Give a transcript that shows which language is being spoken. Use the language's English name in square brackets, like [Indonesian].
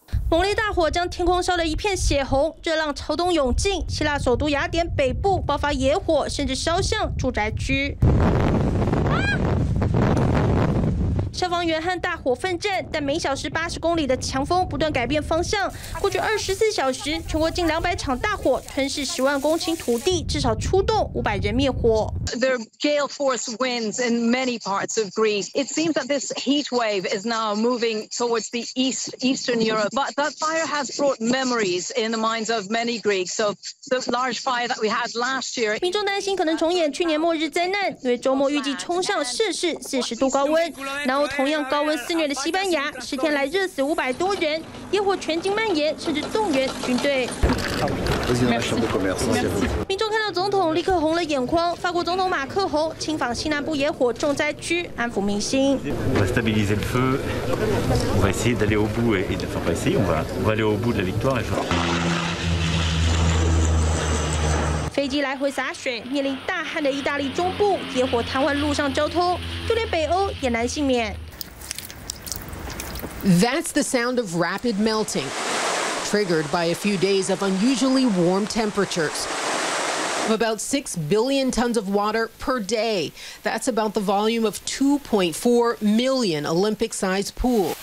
[Chinese] 猛烈大火将天空烧了一片血红，热浪朝东涌进，希腊首都雅典北部爆发野火，甚至烧向住宅区。消防员和大火奋战，但每小时80公里的强风不断改变方向。过去24小时，全国近200场大火吞噬10万公顷土地，至少出动500人灭火。 [English] There are gale force winds in many parts of Greece. It seems that this heat wave is now moving towards the eastern Europe. But that fire has brought memories in the minds of many Greeks of the large fire that we had last year. [Chinese] 民众担心可能重演去年末日灾难，因为周末预计冲上40度高温。然后同样高温肆虐的西班牙，10天来热死500多人，野火全境蔓延，甚至动员军队。民众看到总统立刻红了眼眶，法国总统马克宏亲访西南部野火重灾区，安抚民心。 [French] On va stabiliser le feu, on va essayer d'aller au bout et de faire passer, on va aller au bout de la victoire. [Chinese] 飞机来回洒水，面临大旱的意大利中部，野火瘫痪路上交通，就连北欧也难幸免。 [English] That's the sound of rapid melting, triggered by a few days of unusually warm temperatures. Of about 6 billion tons of water per day. That's about the volume of 2.4 million Olympic-sized pools.